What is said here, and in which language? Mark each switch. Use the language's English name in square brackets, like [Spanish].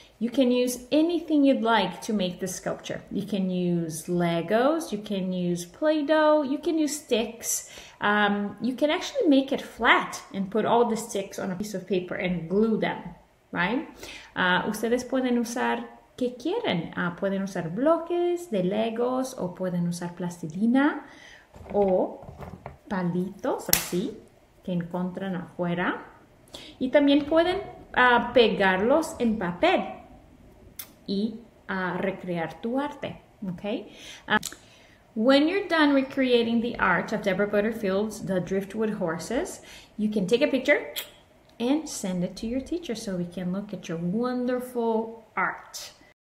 [English] You can use anything you'd like to make the sculpture. You can use Legos, you can use Play-Doh, you can use sticks. You can actually make it flat and put all the sticks on a piece of paper and glue them, right? [Spanish] Ustedes pueden usar que quieren. Pueden usar bloques de Legos o pueden usar plastilina o palitos así que encuentran afuera. Y también pueden pegarlos en papel y recrear tu arte, okay? [English] When you're done recreating the art of Deborah Butterfield's The Driftwood Horses, you can take a picture and send it to your teacher so we can look at your wonderful art.